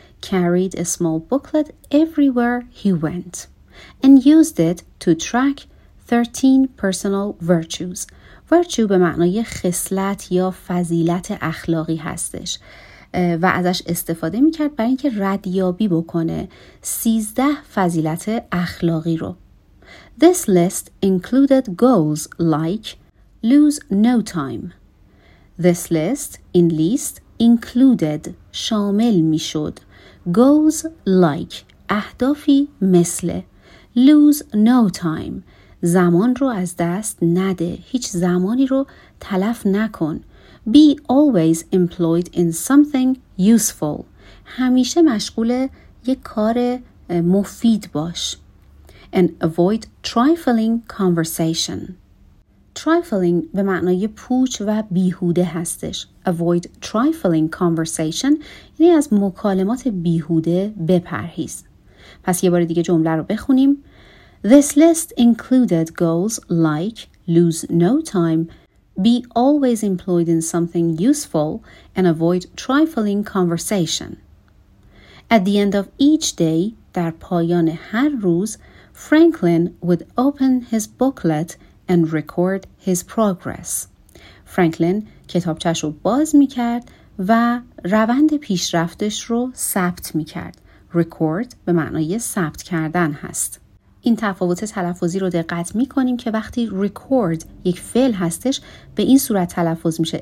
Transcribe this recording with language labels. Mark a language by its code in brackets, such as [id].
[en] Carried a small booklet everywhere he went and used it to track 13 personal virtues. [fa] Virtue به معنای خصلت یا فضیلت اخلاقی هستش و ازش استفاده میکرد برای اینکه ردیابی بکنه 13 فضیلت اخلاقی رو. [en] This list included goals like lose no time. This list, in least, included, [fa] شامل میشد, [en] goals like, [fa] اهدافی مثل, [en] lose no time, [fa] زمان رو از دست نده, هیچ زمانی رو تلف نکن, [en] be always employed in something useful, [fa] همیشه مشغول یک کار مفید باش, [en] and avoid trifling conversation. [fa] Trifling به معنای پوچ و بیهوده هستش. [en] Avoid trifling conversation [fa] یعنی از مکالمات بیهوده بپرهیز. پس یه بار دیگه جمله رو بخونیم. [en] This list included goals like lose no time, be always employed in something useful, and avoid trifling conversation. At the end of each day, [fa] در پایان هر روز, [en] Franklin would open his booklet and record his progress. [fa] Franklin کتابچه‌اش رو باز می‌کرد و روند پیشرفتش رو ثبت می‌کرد. Record به معنای ثبت کردن هست. این تفاوت تلفظی رو دقت می کنیم که وقتی record یک فعل هستش به این صورت تلفظ میشه.